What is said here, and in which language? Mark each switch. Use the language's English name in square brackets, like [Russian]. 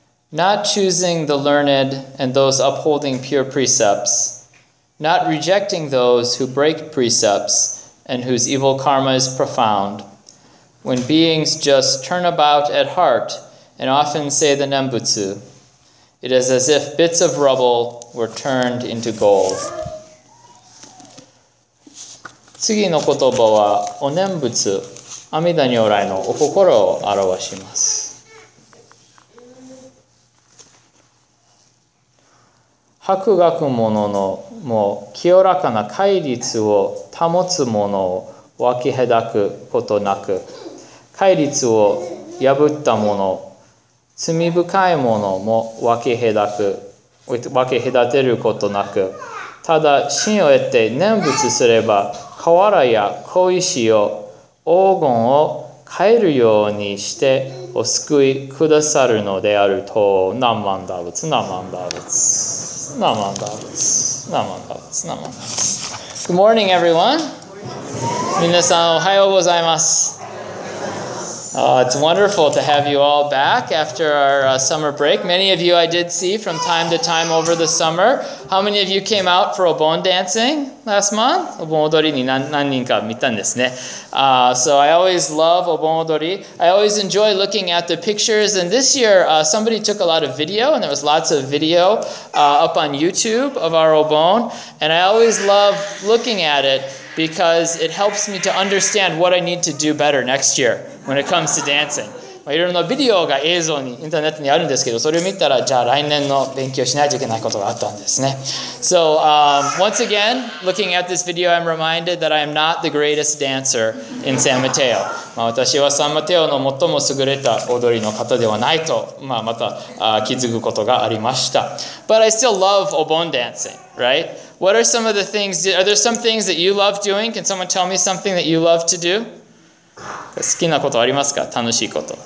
[English] Not choosing the learned and those upholding pure precepts, not rejecting those who break precepts and whose evil karma is profound, when beings just turn about at heart and often say the Nembutsu, it is as if bits of rubble were turned into gold. [Japanese] 次の言葉はお念仏、阿弥陀如来のお心を表します。博学者のも清らかな戒律を保つ者を分け隔くことなく、戒律を破った者、罪深い者も分け隔てることなく、ただ真を得て念仏すれば、瓦や小石を、黄金を変えるようにしてお救いくださるのであると、ナンマンダブツ、ナンマンダブツ、ナンマンダブツ、ナンマンダブツ、ナンマンダブツ。 [English] Good morning, everyone. [Japanese] 皆さん、おはようございます。 [English] It's wonderful to have you all back after our summer break. Many of you I did see from time to time over the summer. How many of you came out for Obon dancing last month? [Japanese] Obon odori ni nannin ka mitan desu ne. [English] So I always love Obon odori. I always enjoy looking at the pictures. And this year, somebody took a lot of video, and there was lots of video up on YouTube of our Obon. And I always love looking at it because it helps me to understand what I need to do better next year. When it comes to dancing. [Japanese] いろいろなビデオが映像に、インターネットにあるんですけど、それを見たら、じゃあ来年の勉強しないといけないことがあったんですね。 [English] So, once again, looking at this video, I'm reminded that I am not the greatest dancer in San Mateo. [Japanese] まあ私はサンマテオの最も優れた踊りの方ではないと、まあまた気づくことがありました。 [English] But I still love Obon dancing, right? What are some of the things, are there some things that you love doing? Can someone tell me something that you love to do? [Japanese] 好きなことありますか？楽しいこと。